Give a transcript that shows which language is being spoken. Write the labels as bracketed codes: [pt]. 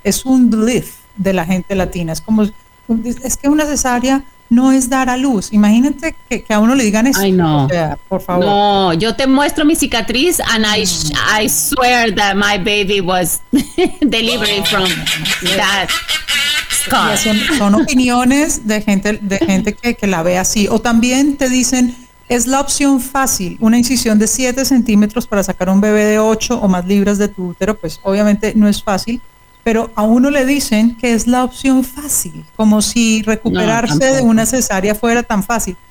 [es] Es un belief de la gente latina. Es como, es que una cesárea no es dar a luz. Imagínate que a uno le digan eso. Ay, no. O sea, por favor. No, yo te muestro mi cicatriz [en] and I swear that my baby was delivered from that scar. [es] Son opiniones de gente que la ve así. O también te dicen, es la opción fácil, una incisión de 7 centímetros para sacar un bebé de 8 o más libras de tu útero. Pues obviamente no es fácil. pero a uno le dicen que es la opción fácil, como si recuperarse de una cesárea fuera tan fácil.